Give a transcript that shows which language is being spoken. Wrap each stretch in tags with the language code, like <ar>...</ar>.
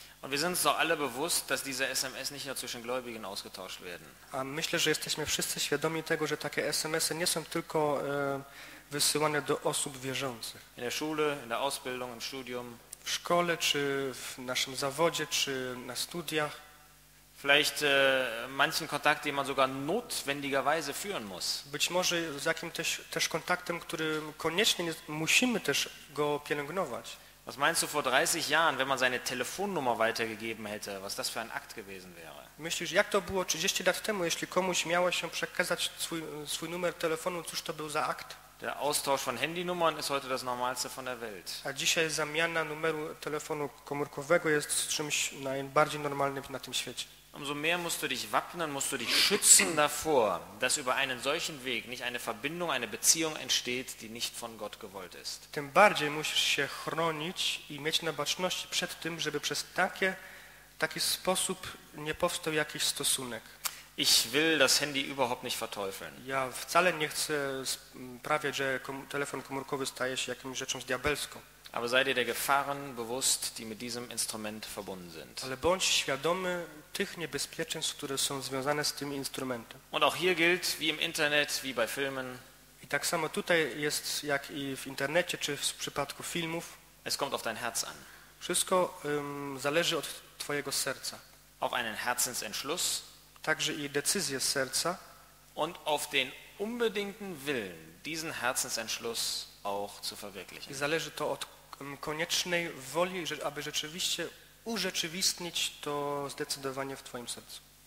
<de>Und wir sind uns doch alle bewusst, dass diese SMS nicht nur zwischen Gläubigen ausgetauscht werden.</de> <pl>A myślę, że jesteśmy wszyscy świadomi tego, że takie SMS-y nie są tylko wysyłane do osób wierzących.</pl> <de>In der Schule, in der Ausbildung, im Studium.</de> <pl>W szkole, czy w naszym zawodzie, czy na studiach.</pl> <de>Vielleicht manchen Kontakt, den man sogar notwendigerweise führen muss.</de> <pl>Być może z jakim też kontaktem, który koniecznie musimy też go pielęgnować.</pl> <de>Was meinst du vor 30 Jahren, wenn man seine Telefonnummer weitergegeben hätte, was das für ein Akt gewesen wäre?</de> <pl>Myślisz, jak to było 30 lat temu, jeśli komuś miało się przekazać swój numer telefonu, cóż to był za akt?</pl> <de>Der Austausch von Handynummern ist heute das Normalste von der Welt.</de> <pl>A dzisiaj zamiana numeru telefonu komórkowego jest czymś najbardziej normalnym na tym świecie.</pl> <de>Umso mehr musst du dich wappnen, musst du dich schützen davor, dass über einen solchen Weg nicht eine Verbindung, eine Beziehung entsteht, die nicht von Gott gewollt ist.</de> <pl>Tym bardziej musisz się chronić i mieć na baczności przed tym, żeby przez taki sposób nie powstał jakiś stosunek.</pl> <de>Ich will das Handy überhaupt nicht verteufeln.</de> <pl>Ja wcale nie chcę sprawiać, że telefon komórkowy staje się jakąś rzeczą diabelską.</pl> <de>Aber sei dir der Gefahren bewusst, die mit diesem Instrument verbunden sind.</de> <pl>Ale bądź świadomy tych niebezpieczeństw, które są związane z tym instrumentem.</pl> <de>Und auch hier gilt, wie im Internet, wie bei Filmen.</de> <pl>I tak samo tutaj jest, jak i w internecie, czy w przypadku filmów.</pl> <de>Es kommt auf dein Herz an.</de> <pl>Wszystko zależy od twojego serca.</pl> <de>Auf einen Herzensentschluss.</de> <pl>Także i decyzję serca.</pl> <de>Und auf den unbedingten Willen, diesen Herzensentschluss auch zu verwirklichen.</de> <pl>I zależy to od koniecznej woli, aby rzeczywiście urzeczywistnić to zdecydowanie w twoim sercu.</pl>